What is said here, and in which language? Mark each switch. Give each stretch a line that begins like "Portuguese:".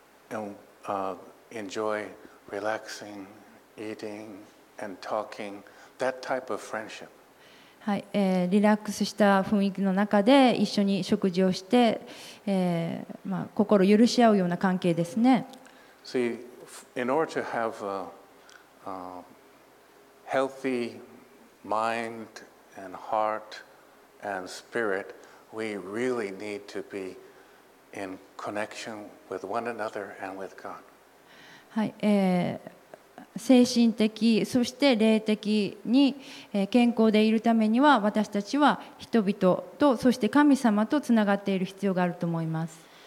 English: And, enjoy relaxing, eating, and talking, that type of friendship.
Japanese: はい、リラックスした雰囲気の中で一緒に食事をして、まあ、心許し合うような関係ですね。
English: See, in order to have a, healthy mind and heart and spirit, we really need to be in connection with one another and with God.
Japanese: はい、精神的そして霊的に、健康でいるためには私たちは人々とそして神様とつながっている必要があると思います。